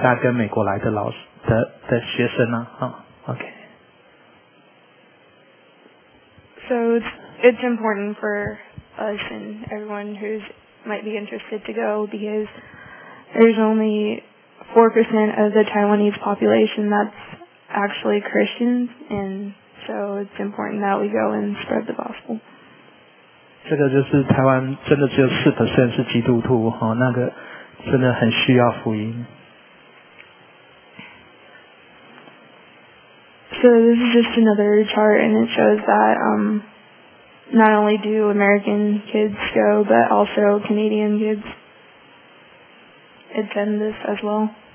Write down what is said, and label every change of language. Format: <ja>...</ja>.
<zh>这个是他们去年2016年他们结束的时候所有的那个义工老师，你看都是很年轻的，都是像他这样子或比他大一点，或者是有的到college毕业他还愿意来的都有，这样子的从那个加拿大跟美国来的老师的学生啊。</zh> <en>Okay. So it's important for us and everyone who might be interested to go because there's only 4% of the Taiwanese population that's actually Christians, and so it's important that we go and spread the gospel.</en> <zh>这个就是台湾真的只有4%是基督徒，那个真的很需要福音。</zh> <en>So this is just another chart, and it shows that not only do American kids go, but also Canadian kids attend this as well.</en>